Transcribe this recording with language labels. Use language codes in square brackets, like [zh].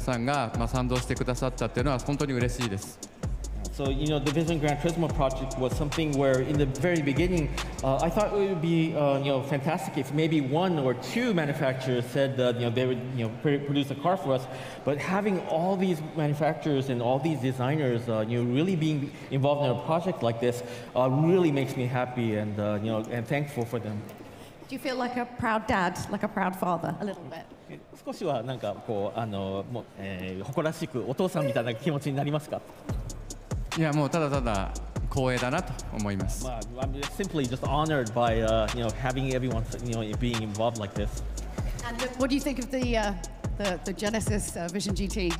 [ja] ビジョングランツリスモのプロジェクト最初に始めた時にここまで続くものだと思いましたか?元々ビジョングランツリスモのプロジェクトは、まあ、マニファクチャーの皆さんが1社かあるいは2社か参加していただければもうそれで十分だと思って始めたプロジェクトなので、まあ、結果的にねこれだけたくさんのマニファクチャーの皆さんが賛同してくださったっていうのは本当に嬉しいです。 [en] So, you know, the Vision Gran Turismo project was something where in the very beginning, I thought it would be, you know, fantastic if maybe one or two manufacturers said that, you know, they would, you know, produce a car for us. But having all these manufacturers and all these designers, you know, really being involved in a project like this really makes me happy and, you know, and thankful for them. Do you feel like a proud dad, like a proud father, a little bit? [ja] 少しはなんかこう、誇らしくお父さんみたいな気持ちになりますか? いや、もうただただ光栄だなと思います。 [en] Well, I'm simply just honored by you know, having everyone, you know, being involved like this. And what do you think of the Genesis Vision GT?